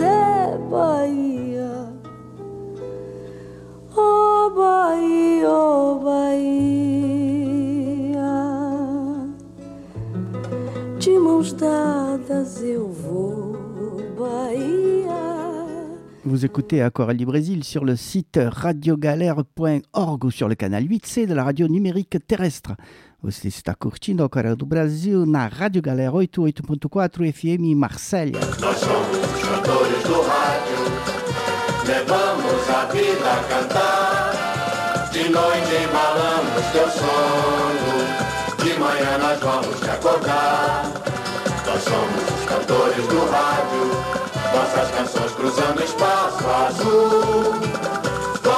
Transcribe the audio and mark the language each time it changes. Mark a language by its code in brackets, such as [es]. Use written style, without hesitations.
[pt] É Bahia, oh Bahia, oh Bahia. De mãos dadas eu vou, Bahia. [fr] Vous écoutez Aquarelle du Brésil sur le site radiogalère.org ou sur le canal 8C de la radio numérique terrestre. Vous êtes à Curtindo, Aquarelle du Brasil, [pt] na [fr] Radio Galère 88.4 FM Marseille. [pt] Nós somos cantores do rádio, levamos a vida a cantar. De noite embalamos teu sono, de manhã nós vamos te acordar. Nós somos cantores do rádio. Nossas canções cruzando espaço azul.